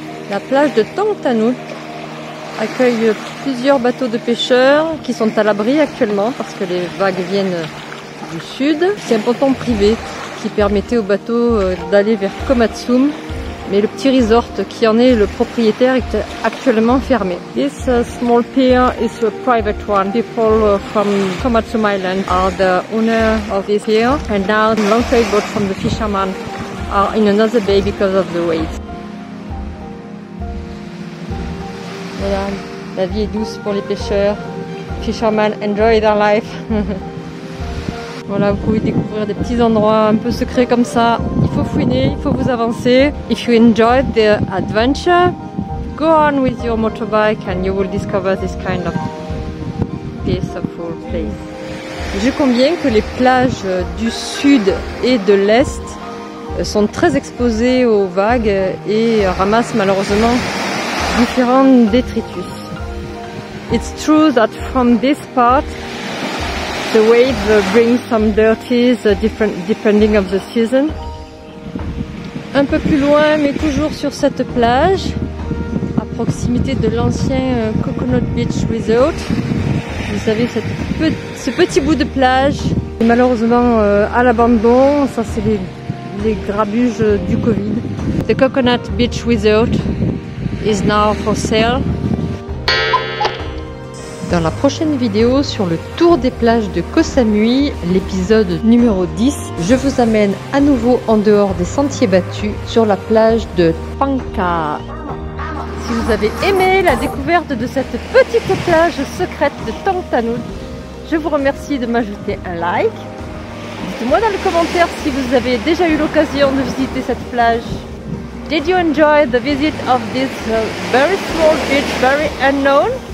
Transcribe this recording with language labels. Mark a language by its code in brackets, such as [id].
[fr] La plage de Thong Tanote accueille plusieurs bateaux de pêcheurs qui sont à l'abri actuellement parce que les vagues viennent du sud. C'est un ponton privé qui permettait aux bateaux d'aller vers Komatsum, mais le petit resort qui en est le propriétaire est actuellement fermé. [en] This small pier is a private one. People from Komatsum Island are the owner of this pier, and now the longsail boat from the fishermen are in another bay because of the waves. [fr] Voilà, la vie est douce pour les pêcheurs. [en] Fishermen enjoy their life. [fr] Voilà, vous pouvez découvrir des petits endroits un peu secrets comme ça. Il faut fouiner, il faut vous avancer. [en] If you enjoyed the adventure, go on with your motorbike and you will discover this kind of peaceful place. [fr] Je conviens que les plages du sud et de l'est sont très exposées aux vagues et ramassent malheureusement différents détritus. [en] It's true that from this part, the wave brings some dirties depending of the season. [fr] Un peu plus loin, mais toujours sur cette plage, à proximité de l'ancien Coconut Beach Resort. Vous savez, ce petit bout de plage est malheureusement à l'abandon. Ça, c'est les grabuges du Covid. [en] The Coconut Beach Resort is now for sale. [fr] Dans la prochaine vidéo sur le tour des plages de Koh Samui, l'épisode numéro 10, je vous amène à nouveau en dehors des sentiers battus sur la plage de Panka. Si vous avez aimé la découverte de cette petite plage secrète de Thong Tanote, je vous remercie de m'ajouter un like. Dites-moi dans le commentaire si vous avez déjà eu l'occasion de visiter cette plage. [en] Did you enjoy the visit of this very small beach, very unknown?